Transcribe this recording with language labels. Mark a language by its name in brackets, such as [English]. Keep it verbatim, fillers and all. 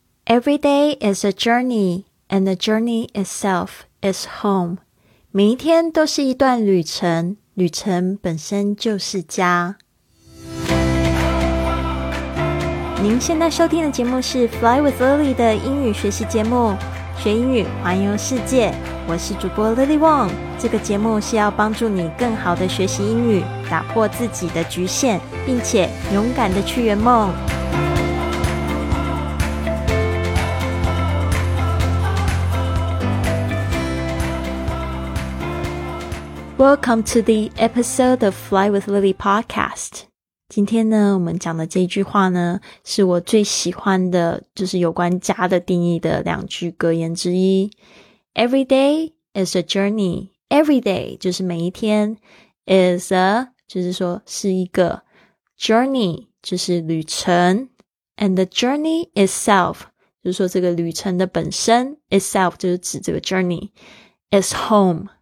[English] Every day is a journey, and the journey itself is home. [Chinese] 每一天都是一段旅程，旅程本身就是家。您现在收听的节目是 Fly with Lily 的英语学习节目，学英语环游世界。我是主播 Lily Wong。这个节目是要帮助你更好的学习英语，打破自己的局限，并且勇敢的去圆梦。 [English] Welcome to the episode of Fly with Lily podcast. [Chinese] 今天呢，我们讲的这句话呢，是我最喜欢的，就是有关家的定义的两句格言之一。 [English] Every day is a journey. [Chinese] Every day 就是每一天 is a 就是说是一个 journey 就是旅程 [English] and the journey itself [Chinese] 就是说这个旅程的本身 itself 就是指这个 journey [English] is home.